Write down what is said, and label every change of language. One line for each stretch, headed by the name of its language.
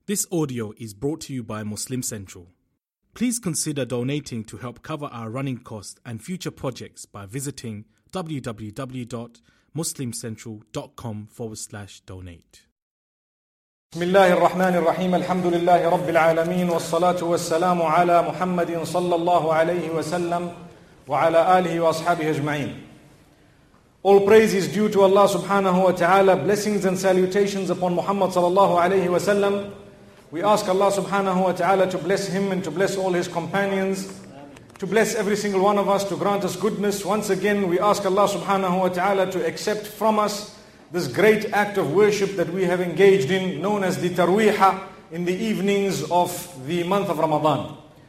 English: This audio is brought to you by Muslim Central. Please consider donating to help cover our running costs and future projects by visiting www.muslimcentral.com/donate.
Arabic: بسم الله الرحمن الرحيم الحمد لله رب العالمين والصلاة والسلام على محمد صلى الله عليه وسلم وعلى آله وأصحابه أجمعين.
English: All praise is due to Allah subhanahu wa ta'ala. Blessings and salutations upon Muhammad sallallahu alayhi wa sallam. We ask Allah subhanahu wa ta'ala to bless him and to bless all his companions, to bless every single one of us, to grant us goodness. Once again, we ask Allah subhanahu wa ta'ala to accept from us this great act of worship that we have engaged in, known as the tarweeha, in the evenings of the month of Ramadan.